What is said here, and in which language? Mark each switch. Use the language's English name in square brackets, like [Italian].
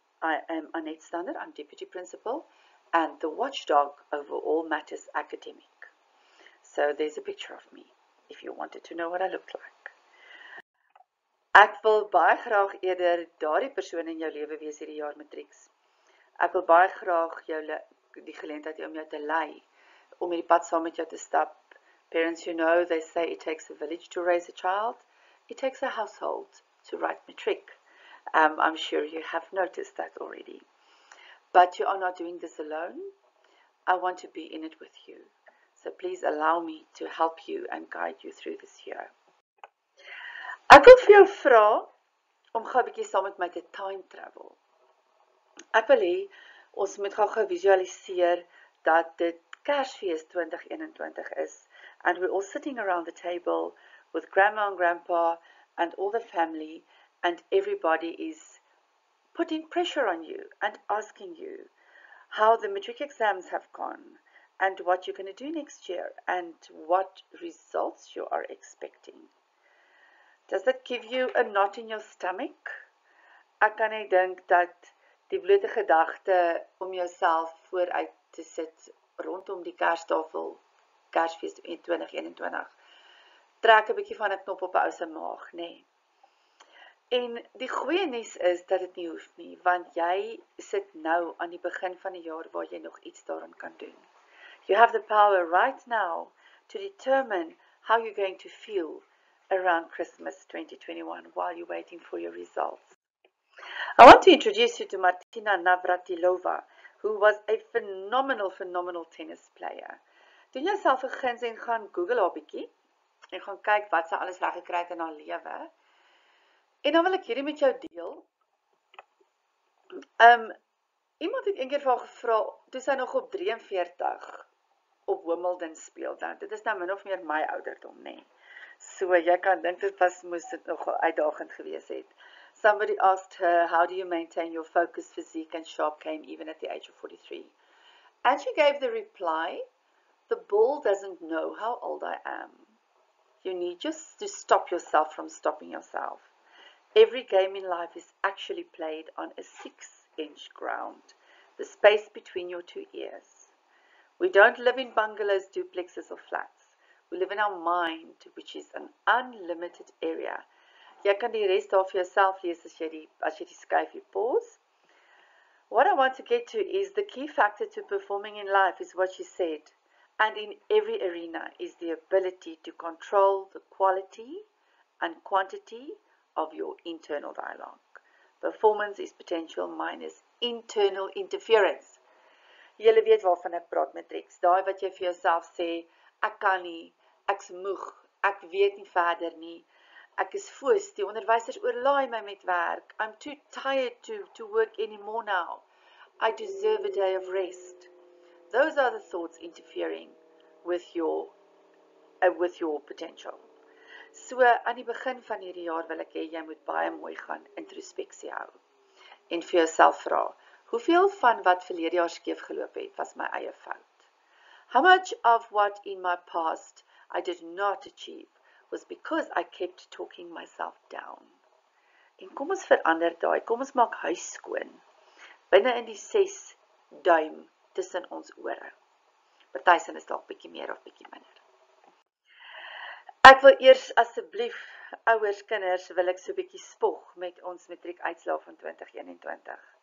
[English] I am Annette Stander, I'm deputy principal and the watchdog over all matters academic. So there's a picture of me, if you wanted to know what I look like. [Afrikaans] Ek wil baie graag eerder daardie persoon in jou lewe wees hierdie jaar, matrix. Ek wil baie graag jou die geleentheid hê om jou te lei, om hierdie pad saam met jou te stap. [English] Parents, you know, they say it takes a village to raise a child. It takes a household to write matric. I'm sure you have noticed that already. But you are not doing this alone. I want to be in it with you. So please allow me to help you and guide you through this year. [Afrikaans] Ek wil vir jou vra om gou 'n bietjie saam met my te [English] time travel. [Afrikaans] Ek wil hê ons moet gou visualiseer dat dit Kersfees 2021 is, [English] and we're all sitting around the table with grandma and grandpa and all the family, and everybody is putting pressure on you and asking you how the matric exams have gone. And what you're going to do next year, and what results you are expecting. Does that give you a knot in your stomach? [Afrikaans] Ek kan net dink dat die blote gedagte om jouself vooruit te sit rondom die Kerstafel, Kersfees 2021, trek 'n bietjie van 'n knop op 'n ou se maag, nê. Nee. En die goeie nuus is dat dit nie hoef nie, want jy sit nou aan die begin van die jaar waar jy nog iets daaraan kan doen. [English] You have the power right now to determine how you're going to feel around Christmas 2021 while you're waiting for your results. I want to introduce you to Martina Navratilova, who was a phenomenal tennis player. [Afrikaans] Doen jouself 'n guns en gaan Google haar bietjie en gaan kyk wat sy alles reg gekry het in haar lewe. En dan wil ek hierdie met jou deel. Iemand het een keer van gevra, toe sy nog op 43 op Wimbledon speel, dan dit is nou min of meer my ouderdom, nê. So jy kan dink dit was moes dit nogal uitdagend gewees het. [English] Somebody asked her, how do you maintain your focus, physique and sharp game even at the age of 43? And she gave the reply, the bull doesn't know how old I am. You need just to stop yourself from stopping yourself. Every game in life is actually played on a 6-inch ground, the space between your two ears. We don't live in bungalows, duplexes or flats. We live in our mind, which is an unlimited area. [Afrikaans] Jy kan die res daar vir jouself lees as jy die skyfie pause. [English] What I want to get to is the key factor to performing in life is what she said, and in every arena is the ability to control the quality and quantity of your internal dialogue. Performance is potential minus internal interference. [Afrikaans] Julle weet waarvan ek praat, Matrix. Daai wat jy vir jouself sê, ek kan nie, ek's moeg, ek weet nie verder nie. Ek is foos, die onderwysers oorlaai my met werk. [English] I'm too tired to work anymore now. I deserve a day of rest. Those are the thoughts interfering with your potential. [Afrikaans] So, aan die begin van hierdie jaar wil ek hê jy moet baie mooi gaan introspeksie hou en vir jouself vra, hoeveel van wat verlede jaar skeef geloop het, was my eie fout? [English] How much of what in my past I did not achieve was because I kept talking myself down? [Afrikaans] En kom ons verander daai, kom ons maak huis skoon, binne in die 6 duim tussen ons ore. Partysin is dalk bietjie meer of bietjie minder. Ek wil eers asseblief ouers, kinders, wil ek so 'n bietjie spog met ons matriek uitslaa van 2021.